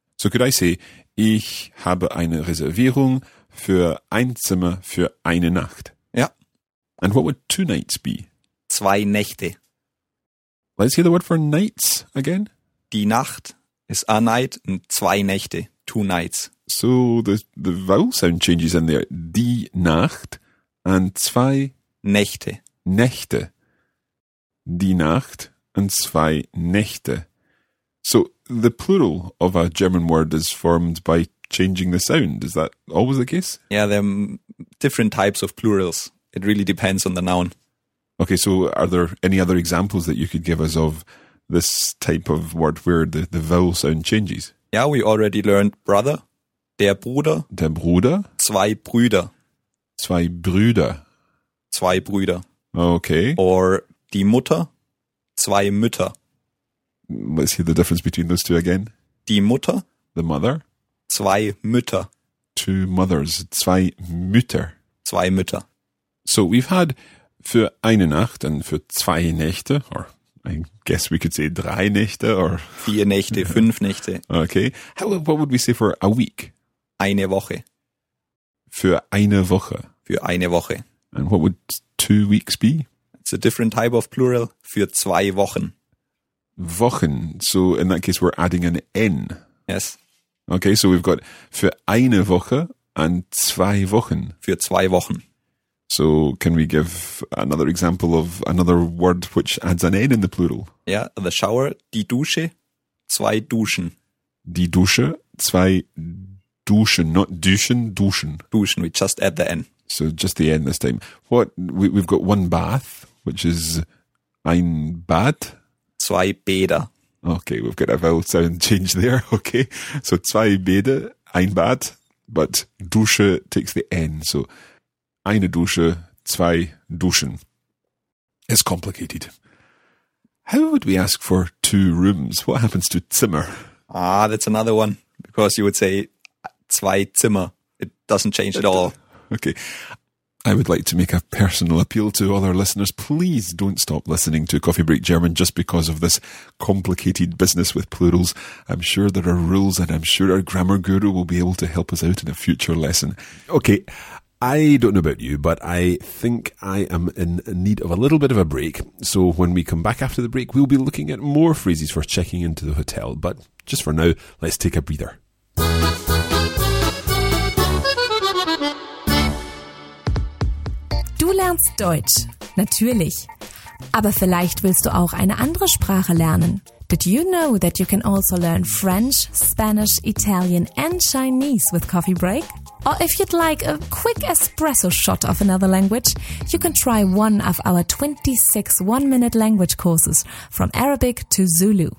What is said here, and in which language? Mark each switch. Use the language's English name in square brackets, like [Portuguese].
[English] So could I say, [German] ich habe eine Reservierung für ein Zimmer für eine Nacht. [English] And what would two nights be? [German] Zwei Nächte. [English] Let's hear the word for nights again. [German] Die Nacht [English] is a night and [German] zwei Nächte, [English] two nights. So the vowel sound changes in there. [German] Die Nacht [English] and [German] zwei Nächte. Nächte. Die Nacht and zwei Nächte. [English] So the plural of a German word is formed by changing the sound. Is that always the case? Yeah, there are different types of plurals. It really depends on the noun. Okay, so are there any other examples that you could give us of this type of word where the vowel sound changes? Yeah, we already learned brother, [German] der Bruder. Der Bruder. Zwei Brüder. Zwei Brüder. Zwei Brüder. [English] Okay. [German] Or die Mutter, zwei Mütter. [English] Let's hear the difference between those two again. [German] Die Mutter. [English] The mother. [German] Zwei Mütter. [English] Two mothers. [German] Zwei Mütter. Zwei Mütter. [English] So we've had [German] für eine Nacht [English] and [German] für zwei Nächte, [English] or I guess we could say [German] drei Nächte, [English] or... [German] Vier Nächte, fünf Nächte. [English] Okay. What would we say for a week? [German] Eine Woche. Für eine Woche. Für eine Woche. [English] And what would 2 weeks be? It's a different type of plural, [German] für zwei Wochen. Wochen. [English] So in that case we're adding an N. Yes. Okay, so we've got [German] für eine Woche [English] and [German] zwei Wochen. Für zwei Wochen. [English] So can we give another example of another word which adds an N in the plural? Yeah, the shower, [German] die Dusche, zwei Duschen. Die Dusche, zwei Duschen, not Duschen, Duschen. [English] Duschen, we just add the N. So just the N this time. What, we've got one bath, which is [German] ein Bad. Zwei Bäder. [English] Okay, we've got a vowel sound change there, okay. So [German] zwei Bäder, ein Bad, [English] but Dusche takes the N, so... [German] Eine Dusche, zwei Duschen. [English] It's complicated. How would we ask for two rooms? What happens to Zimmer? Ah, that's another one. Because you would say [German] zwei Zimmer. [English] It doesn't change at all. Okay. I would like to make a personal appeal to all our listeners. Please don't stop listening to Coffee Break German just because of this complicated business with plurals. I'm sure there are rules and I'm sure our grammar guru will be able to help us out in a future lesson. Okay. I don't know about you, but I think I am in need of a little bit of a break. So when we come back after the break, we'll be looking at more phrases for checking into the hotel. But just for now, let's take a breather. [German] Du lernst Deutsch, natürlich. Aber vielleicht willst du auch eine andere Sprache lernen. [English] Did you know that you can also learn French, Spanish, Italian and Chinese with Coffee Break? Or if you'd like a quick espresso shot of another language, you can try one of our 26 one-minute language courses from Arabic to Zulu.